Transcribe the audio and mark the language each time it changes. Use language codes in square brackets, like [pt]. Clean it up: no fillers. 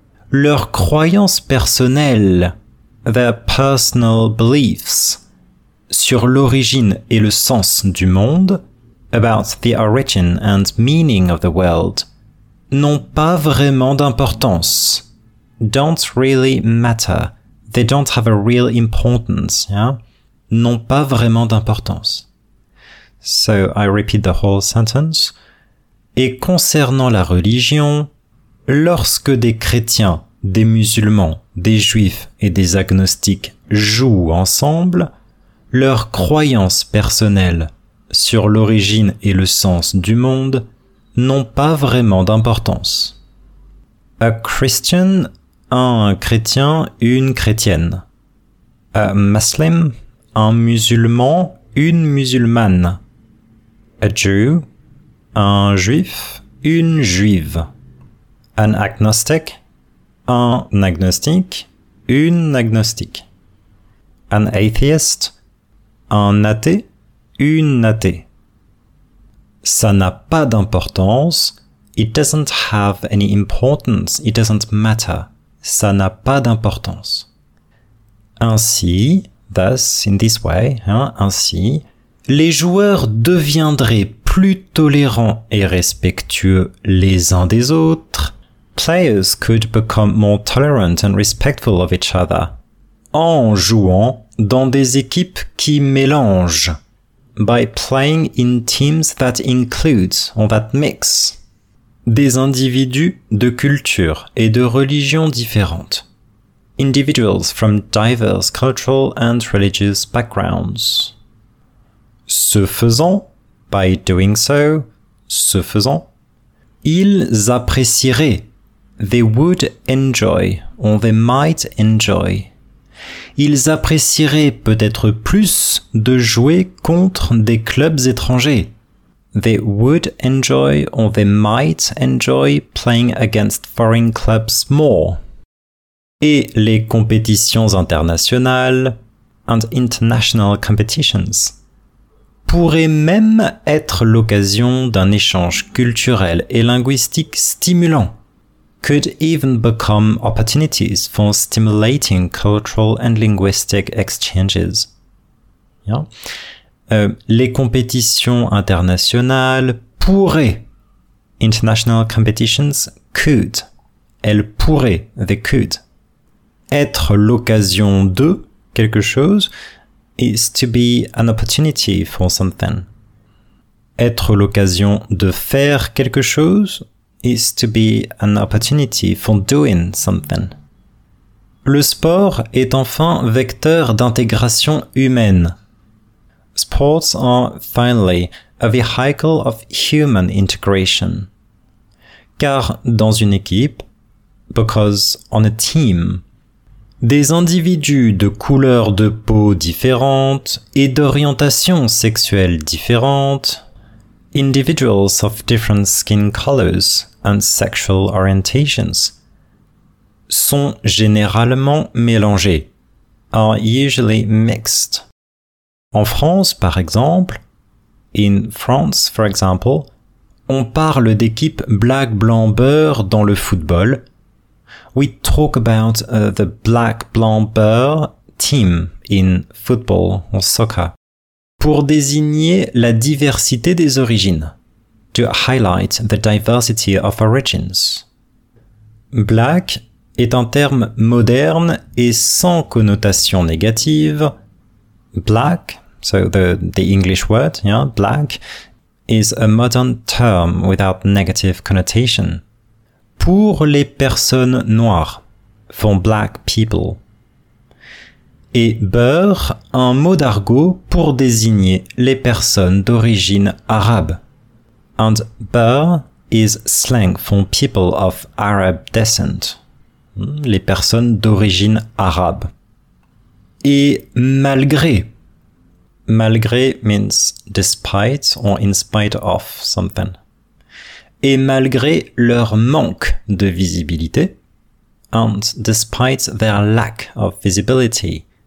[fr] leurs croyances personnelles, [en] their personal beliefs [fr] sur l'origine et le sens du monde, [en] about the origin and meaning of the world, [fr] n'ont pas vraiment d'importance. [en] don't really matter. They don't have a real importance. Yeah? [fr] N'ont pas vraiment d'importance. [en] So, I repeat the whole sentence. [fr] Et concernant la religion, lorsque des chrétiens, des musulmans, des juifs et des agnostiques jouent ensemble, leur croyance personnelle sur l'origine et le sens du monde n'ont pas vraiment d'importance. A Christian, un chrétien, une chrétienne. A Muslim, un musulman, une musulmane. A Jew, un juif, une juive. An agnostic, un agnostique, une agnostique. An atheist, un athée, une athée. Ça n'a pas d'importance. [en] It doesn't have any importance. It doesn't matter. [fr] Ça n'a pas d'importance. Ainsi, [en] thus, in this way, [fr] hein, ainsi, les joueurs deviendraient plus tolérants et respectueux les uns des autres. [en] Players could become more tolerant and respectful of each other [fr] en jouant dans des équipes qui mélangent. [en] By playing in teams that include or that mix [fr] des individus de culture et de religions différentes. [en] Individuals from diverse cultural and religious backgrounds. [fr] Ce faisant, [en] by doing so, [fr] ce faisant, ils apprécieraient. [en] They would enjoy, or they might enjoy. [fr] Ils apprécieraient peut-être plus de jouer contre des clubs étrangers. [en] They would enjoy, or they might enjoy, playing against foreign clubs more. [fr] Et les compétitions internationales, [en] and international competitions, [fr] pourraient même être l'occasion d'un échange culturel et linguistique stimulant. [en] Could even become opportunities for stimulating cultural and linguistic exchanges. Yeah. [fr] Les compétitions internationales pourraient. [en] International competitions could. [fr] Elles pourraient. [en] They could. [fr] Être l'occasion de quelque chose [en] is to be an opportunity for something. [fr] Être l'occasion de faire quelque chose [en] is to be an opportunity for doing something. [fr] Le sport est enfin vecteur d'intégration humaine. [en] Sports are finally a vehicle of human integration. [fr] Car dans une équipe, [en] because on a team, [fr] des individus de couleurs de peau différentes et d'orientation sexuelle différente, [en] individuals of different skin colors and sexual orientations [fr] sont généralement mélangés, [en] are usually mixed. [fr] En France, par exemple, [en] in France, for example, [fr] on parle d'équipe black, blanc, beurre dans le football. [en] We talk about the black, blanc, beurre team in football or soccer [fr] pour désigner la diversité des origines. [en] To highlight the diversity of origins. [fr] Black est un terme moderne et sans connotation négative. [en] Black, so the English word, yeah, black, is a modern term without negative connotation. [fr] Pour les personnes noires, [en] for black people. [fr] Et beurre, un mot d'argot pour désigner les personnes d'origine arabe. [en] And beurre is slang for people of Arab descent. [fr] Les personnes d'origine arabe. Et malgré. [en] Malgré means despite or in spite of something. [fr] Et malgré leur manque de visibilité. [en] And despite their lack of visibility.